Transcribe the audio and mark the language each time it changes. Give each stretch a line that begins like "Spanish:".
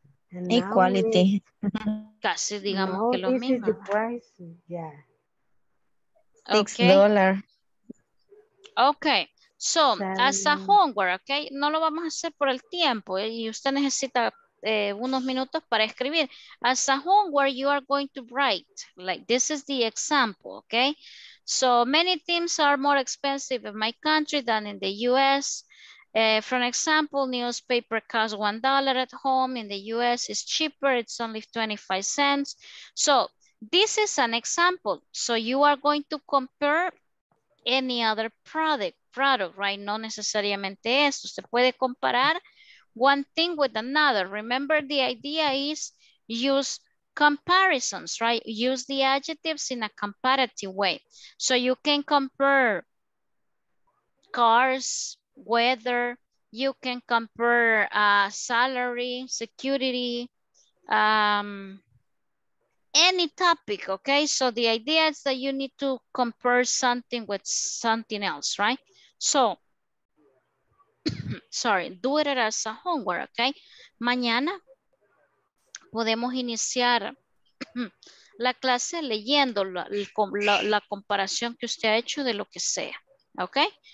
English: yeah. Equality.
Spanish: Casi digamos que lo mismo.
English: The price. Yeah. $6. Okay. So, as a homework, okay?
Spanish: No lo vamos a hacer por el tiempo. Y usted necesita unos minutos para escribir.
English: As a homework, you are going to write. Like, this is the example, okay? So, many things are more expensive in my country than in the U.S., for example, newspaper costs $1 at home. In the U.S. it's cheaper. It's only 25 cents. So this is an example. So you are going to compare any other product, right?
Spanish: No necesariamente esto. Se puede comparar
English: one thing with another. Remember, the idea is use comparisons, right? Use the adjectives in a comparative way. So you can compare cars, weather, you can compare salary, security, any topic, okay? So the idea is that you need to compare something with something else, right? So, sorry, do it as a homework, okay?
Spanish: Mañana podemos iniciar la clase leyendo la comparación que usted ha hecho de lo que sea, okay?